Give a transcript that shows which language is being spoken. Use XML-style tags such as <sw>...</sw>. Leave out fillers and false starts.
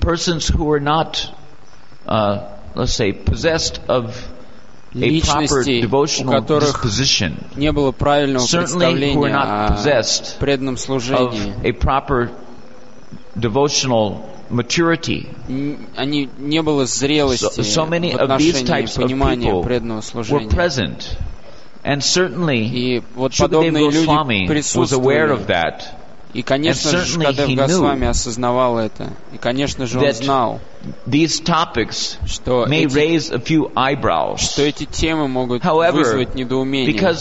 <en>persons who were not, let's say, possessed of a proper devotional disposition.</en> <ru>Не было правильного представления о преданном служении.</ru> <en>Of a proper devotional maturity.</en> <ru>Они не было зрелости,</ru> <en>so many of these types of people were present, and certainly Shukadeva Goswami was aware of that.</en> <ru>И, конечно, Шукадев Госвами осознавал это. И, конечно же, он знал, что эти темы могут вызвать недоумение.</ru>